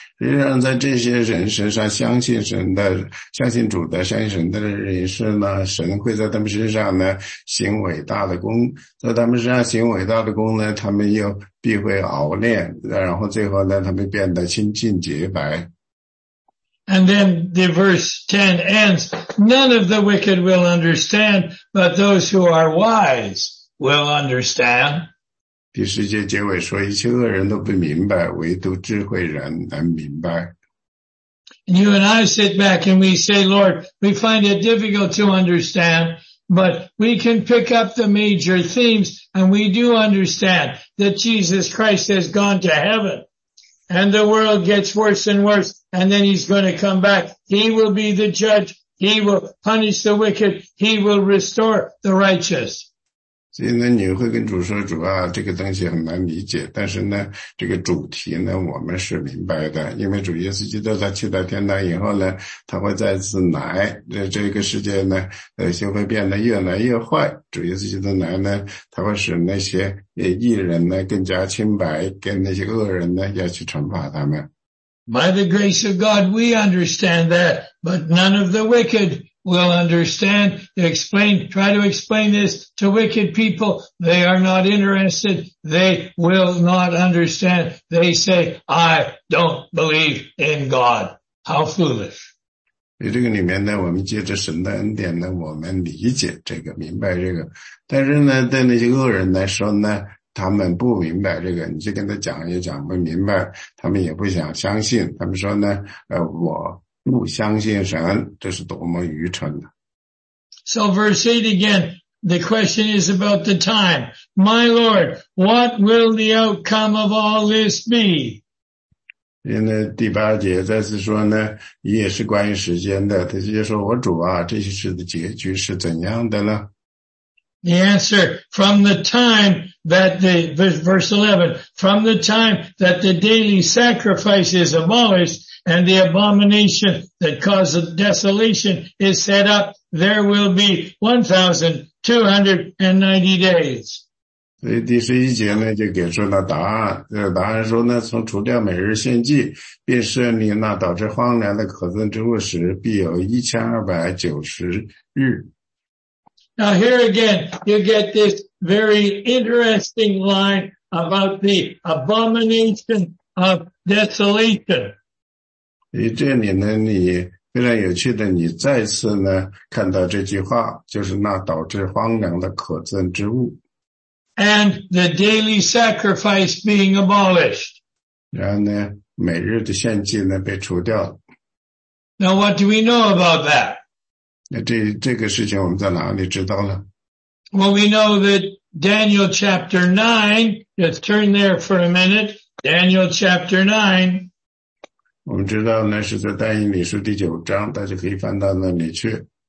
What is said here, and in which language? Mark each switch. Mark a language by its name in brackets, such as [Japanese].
[Chinese] 实际上在这些人身上相信神的、相信主的、相信神的人士呢，神会在他们身上呢行伟大的功，在他们身上行伟大的功呢，他们又必会熬炼，然后最后呢他们变得清净洁白。 [English] And then the verse 10 ends, none of the wicked will understand, but those who are wise will understand. [Chinese] 第十节结尾说，一切恶人都不明白，唯独智慧人能明白。 [English] You and I sit back and we say, Lord, we find it difficult to understand, but we can pick up the major themes and we do understand that Jesus Christ has gone to heaven and the world gets worse and worse and then he's going to come back. He will be the judge. He will punish the wicked. He will restore the righteous. [Chinese] 所以呢，你会跟主说，主啊，这个东西很难理解，但是呢，这个主题呢，我们是明白的，因为主耶稣基督他去到天堂以后呢，他会再次来，这个世界呢，就会变得越来越坏。主耶稣基督来呢，他会使那些义人呢更加清白，跟那些恶人呢要去惩罚他们。 [English] By the grace of God, we understand that, but none of the wicked. We'll understand, try to explain this to wicked people. They are not interested. They will not understand. They say, I don't believe in God. How foolish. [Chinese] 在这个里面呢，我们借着神的恩典呢，我们理解这个，明白这个。但是呢，对那些恶人来说呢，他们不明白这个，你去跟他讲也讲不明白，他们也不想相信。他们说呢，我不相信神，这是多么愚蠢的。 [English] So verse 8 again, the question is about the time. My Lord, what will the outcome of all this be? [Chinese] 因为第八节再次说呢，也是关于时间的，他就说，我主啊，这些事的结局是怎样的呢？ [English] The answer, from the time that the, verse 11, from the time that the daily sacrifice is abolished,And the abomination that causes desolation is set up, there will be 1290 days. [Chinese] 所以第十一节呢就给出了答案。答案说呢，从除掉每日献祭，便设立那导致荒凉的可憎之物时，必有1290日。 [English] Now here again, you get this very interesting line about the abomination of desolation. [Chinese] 所以这里呢，你非常有趣的，你再次呢看到这句话，就是那导致荒凉的可憎之物。 [English] And the daily sacrifice being abolished. [Chinese] 然后呢，每日的献祭呢被除掉了。 [English] Now what do we know about that? [Chinese] 那这个事情我们在哪里知道呢？ [English] Well, we know that Daniel chapter 9, let's turn there for a minute, Daniel chapter 9. [Chinese] 我们知道呢是在但以理书第九章，大家可以翻到那里去。